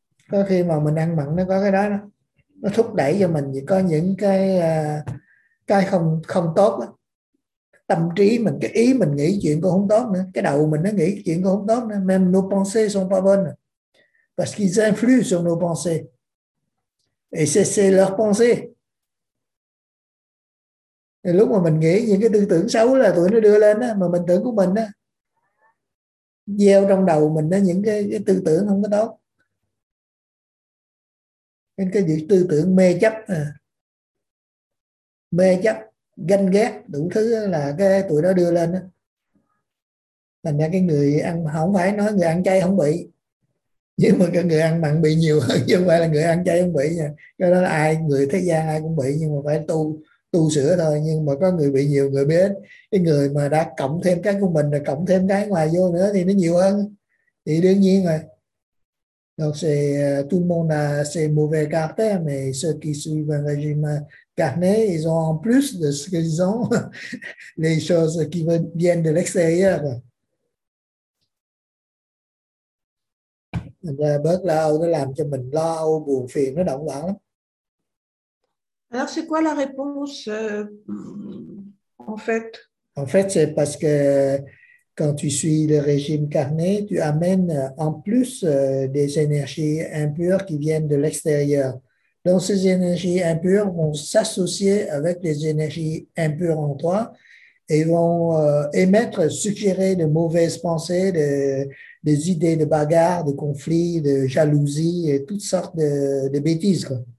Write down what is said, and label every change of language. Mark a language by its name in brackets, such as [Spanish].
[Vietnamese] Có khi mà mình ăn mặn nó có cái đó đó. Nó thúc đẩy cho mình có những cái không không tốt đó. Tâm trí mình, cái ý mình nghĩ chuyện cũng không tốt nữa. Cái đầu mình nó nghĩ chuyện cũng không tốt nữa. [French] Même nos pensées sont pas bonnes. Parce qu'ils influent sur nos pensées. Et c'est leurs pensées. [Vietnamese] Lúc mà mình nghĩ những cái tư tưởng xấu là tụi nó đưa lên á, mà mình tưởng của mình á, gieo trong đầu mình á, những cái tư tưởng không có tốt. Nên cái tư tưởng mê chấp, ganh ghét, đủ thứ là cái tụi nó đưa lên á. Thành ra cái người ăn, không phải nói người ăn chay không bị, nhưng mà cái người ăn mặn bị nhiều hơn, chứ không phải là người ăn chay không bị nha. Cái đó là ai, người thế gian ai cũng bị, nhưng mà phải tu sửa thôi, nhưng mà có người bị nhiều, người biết cái người mà đã cộng thêm cái của mình rồi cộng thêm cái ngoài vô nữa thì nó nhiều hơn thì đương nhiên rồi. [French] Donc c'est tout le monde a ses mauvais caractères, mais ceux qui suivent un régime carné, ils ont en plus de ce qu'ils ont les choses qui viennent de l'extérieur. [Vietnamese] Bớt lo âu nó làm cho mình lo âu buồn phiền, nó động loạn lắm. [French] Alors c'est quoi la réponse en fait? En fait c'est parce que quand tu suis le régime carné, tu amènes en plus des énergies impures qui viennent de l'extérieur. Donc ces énergies impures vont s'associer avec les énergies impures en toi et vont émettre, suggérer de mauvaises pensées, des idées de bagarre, de conflits, de jalousie et toutes sortes de bêtises, quoi.